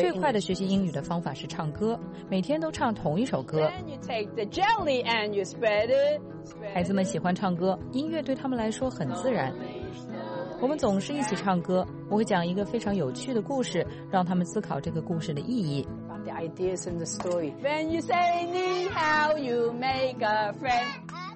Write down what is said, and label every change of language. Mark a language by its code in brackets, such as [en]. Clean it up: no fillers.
[zh] 最快的学习英语的方法是唱歌，每天都唱同一首歌。 [en] Then you take the jelly and you spread it. [zh] 孩子们喜欢唱歌，音乐对他们来说很自然。我们总是一起唱歌，我会讲一个非常有趣的故事，让他们思考这个故事的意义。 [en] The ideas in the story. When you say ni hao, you make a friend.